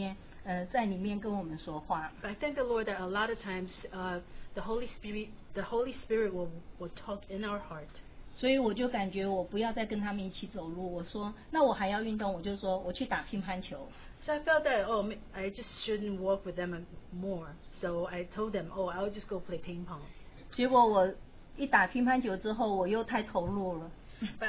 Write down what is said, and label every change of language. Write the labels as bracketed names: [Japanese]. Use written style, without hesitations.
[Chinese] 所以，感谢主，神也时常在圣灵里面，在里面跟我们说话。 [English] But I thank the Lord that a lot of times, the Holy Spirit will talk in our heart. [Chinese] 所以我就感觉我不要再跟他们一起走路。我说，那我还要运动，我就说我去打乒乓球。 [English] So I felt that I just shouldn't walk with them more. So I told them, I'll just go play ping pong. [Chinese] 结果我一打乒乓球之后，我又太投入了。 [English] But